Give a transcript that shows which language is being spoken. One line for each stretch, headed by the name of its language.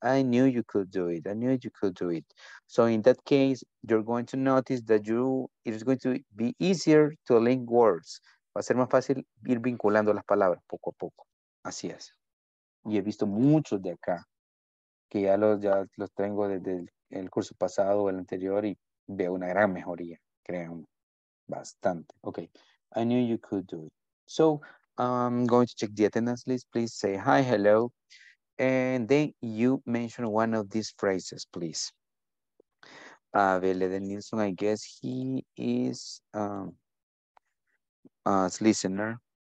English: I knew you could do it. I knew you could do it. So in that case, you're going to notice that it is going to be easier to link words.
Spanish: Va a ser más fácil ir vinculando las palabras poco a poco. Así es. Y he visto muchos de acá que ya los tengo desde el curso pasado o el anterior y veo una gran mejoría, créanme, bastante.
English: Okay, I knew you could do it. So, I'm going to check the attendance list. Please say hi, hello. And then you mention one of these phrases, please. Abel Edelinson, I guess he is a listener.